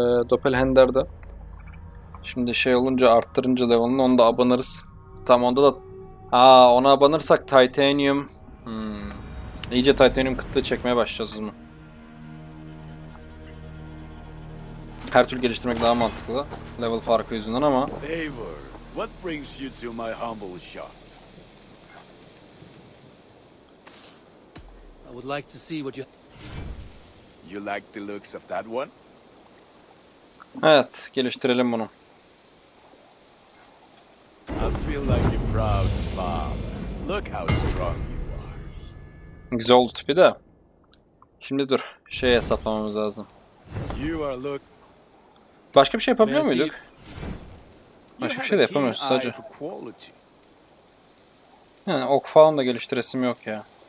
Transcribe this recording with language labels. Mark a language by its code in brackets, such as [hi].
[tr] Doppelhander'da. Şimdi şey olunca, arttırınca level'ını, onu da abanırız. Tam onda da... ona abanırsak Titanium... İyice Titanium kıtlığı çekmeye başlayacağız mı? Her türlü geliştirmek daha mantıklı. Level farkı yüzünden ama. [en] Eivor, what brings you to my humble shop? I would like to see what you... You like the looks of that one? [tr] Evet, geliştirelim bunu. [en] I feel like a proud father. Look how strong you are. [tr] Güzel oldu tipi de. Şimdi dur, şey hesaplamamız lazım. [en] You are look... [tr] Başka bir şey yapabiliyor muyduk? Başka bir şey de yapamıyoruz sadece. Yani ok falan da geliştiresim yok ya.